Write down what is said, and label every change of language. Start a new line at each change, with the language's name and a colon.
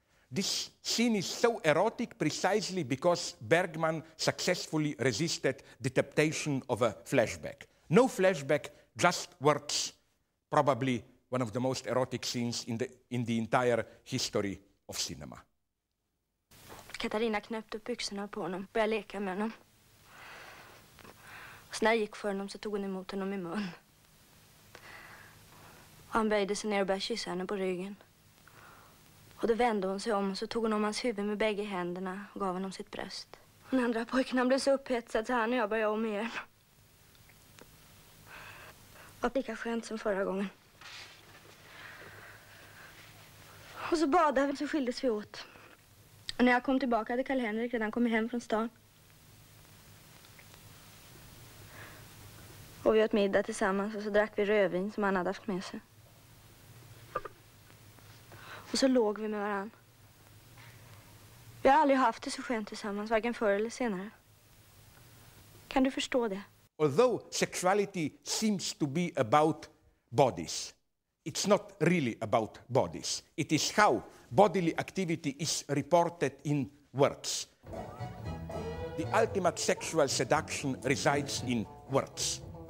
English: This scene is so erotic precisely because Bergman successfully resisted the temptation of a flashback. No flashback, just words. Probably one of the most erotic scenes in the entire history of cinema.
Swedish: Katarina knäppte upp byxorna på honom, började leka med honom. Och när jag gick för honom så tog hon emot honom i mun. Och han böjde sig ner och började kyssa henne på ryggen. Och då vände hon sig om och så tog hon om hans huvud med bägge händerna och gav honom sitt bröst. Den andra pojken blev så upphetsad så han och jag började om igen. Och lika skönt som förra gången. Och så badade vi, så skildes vi åt. Och när jag kom tillbaka hade Karl-Henrik redan kommit hem från stan. Och vi åt middag tillsammans och så drack vi rödvin som han hade haft med sig. Och så låg vi med varann. Vi har aldrig haft det så skönt tillsammans, varken förr eller senare. Kan du förstå det?
English: Although sexuality seems to be about bodies, it's not really about bodies. It is how bodily activity is reported in words. The ultimate sexual seduction resides in words.